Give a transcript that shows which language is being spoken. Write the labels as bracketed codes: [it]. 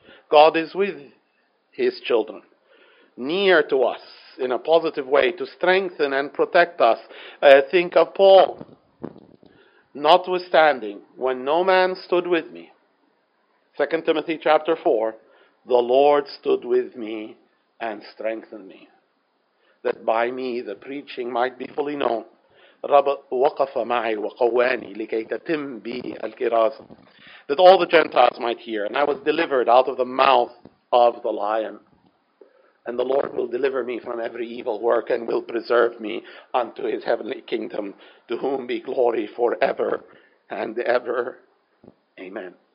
[en] God is with his children, near to us in a positive way to strengthen and protect us. Think of Paul. Notwithstanding, when no man stood with me, 2 Timothy chapter 4, the Lord stood with me and strengthened me, that by me the preaching might be fully known. [ar] رب وقف معي وقواني لكي تتم بي الكرازة. [en] That all the Gentiles might hear, and I was delivered out of the mouth of the lion. And the Lord will deliver me from every evil work and will preserve me unto his heavenly kingdom, to whom be glory forever and ever. Amen.